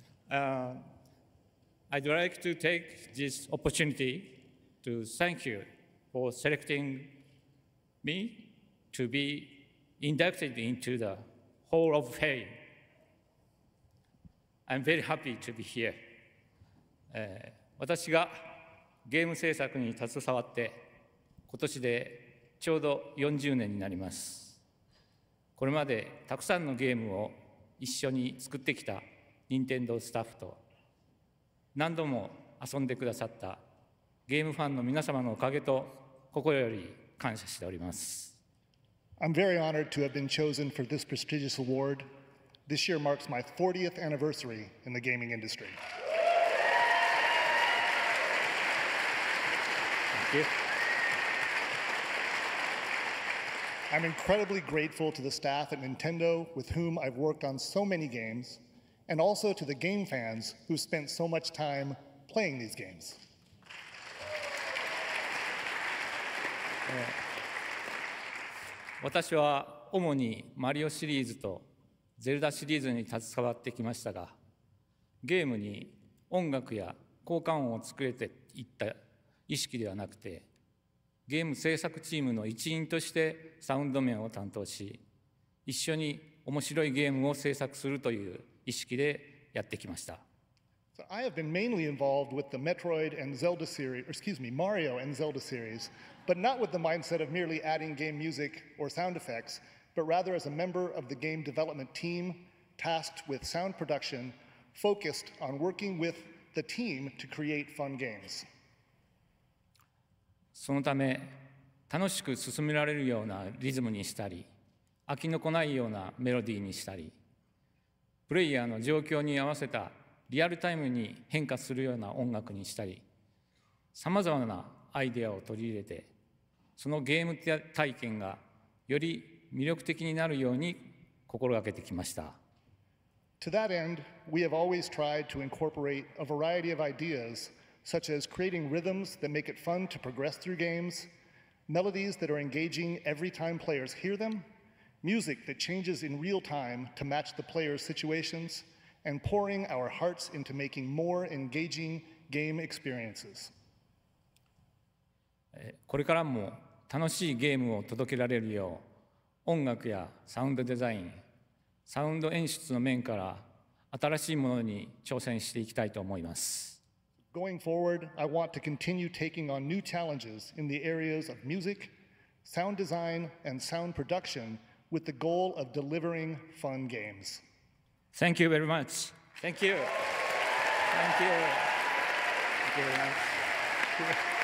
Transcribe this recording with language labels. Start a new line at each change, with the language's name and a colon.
English: Thank you. I'd like to take this opportunity to thank you for selecting me to be inducted into the Hall of Fame. I'm very happy to be here.
Japanese: 私がゲーム制作に携わって今年でちょうど40年になります。これまでたくさんのゲームを一緒に作ってきた任天堂スタッフと何度も遊んでくださったゲームファンの皆様のおかげと心より感謝しております。
English: I'm very honored to have been chosen for this prestigious award. This year marks my 40th anniversary in the gaming industry. Thank you. I'm incredibly grateful to the staff at Nintendo with whom I've worked on so many games, and also to the game fans who spent so much time playing these games.
Japanese: 私は主にマリオシリーズとゼルダシリーズに携わってきましたが、ゲームに音楽や効果音をつけていった意識ではなくて、ゲーム制作チームの一員としてサウンド面を担当し、一緒に面白いゲームを制作するという意識でやってきました。
English: So I have been mainly involved with the Metroid and Zelda series, or excuse me, Mario and Zelda series, but not with the mindset of merely adding game music or sound effects, but rather as a member of the game development team tasked with sound production, focused on working with the team to create fun games.
Japanese: そのため、楽しく進められるようなリズムにしたり、飽きのこないようなメロディーにしたり、プレイヤーの状況に合わせたリアルタイムに変化するような音楽にしたり、さまざまなアイデアを取り入れて、そのゲーム体験がより魅力的になるように心がけてきました。
English: To that end, we have always tried to incorporate a variety of ideas, such as creating rhythms that make it fun to progress through games, melodies that are engaging every time players hear them, music that changes in real time to match the player's situations,and pouring our hearts into making more engaging game experiences.
Japanese: これからも楽しいゲームを届けられるよう、音楽やサウンドデザイン、サウンド演出の面から新しいものに挑戦していきたいと思います。
English: Going forward, I want to continue taking on new challenges in the areas of music, sound design, and sound production with the goal of delivering fun games. Thank you very much. Thank you. Thank you. Thank you very much.